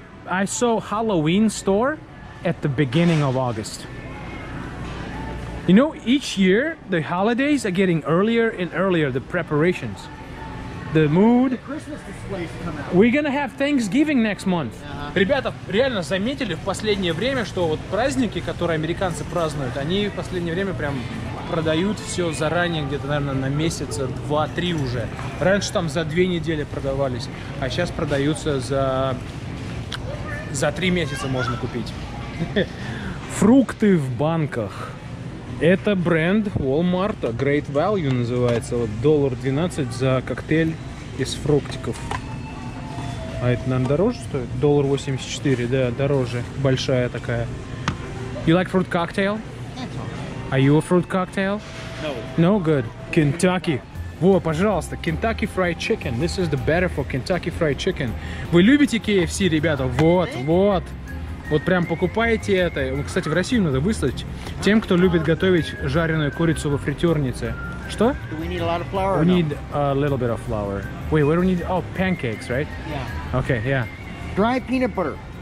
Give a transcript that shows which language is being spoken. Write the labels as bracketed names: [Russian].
[English] I saw Halloween store at the beginning of August. You know, each year, the holidays are getting earlier and earlier, the preparations. The mood. The Christmas displays come out. We're gonna have Thanksgiving next month. Uh-huh. [Russian] Ребята, реально заметили в последнее время, что вот праздники, которые американцы празднуют, они в последнее время прям продают все заранее, где-то, наверное, на месяца 2-3 уже. Раньше там за 2 недели продавались, а сейчас продаются за 3 месяца можно купить. Фрукты в банках. Это бренд Walmart, Great Value называется. Вот $1.12 за коктейль из фруктиков. А это, наверное, дороже стоит? $1.84, да, дороже. Большая такая. [English] You like fruit cocktail? Are you a fruit cocktail? No. No good. Kentucky. [Russian] Во, пожалуйста, [English] Kentucky Fried Chicken. This is the better for Kentucky Fried Chicken. [Russian] Вы любите KFC, ребята? Вот, вот. Вот прям покупаете это. Кстати, в Россию надо выслать тем, кто любит готовить жареную курицу во фритюрнице. Что? [English] Do we need a lot of flour? We need a little bit of flour. Wait, what do we need? Oh, pancakes, right? Yeah. Okay, yeah. Dry peanut butter.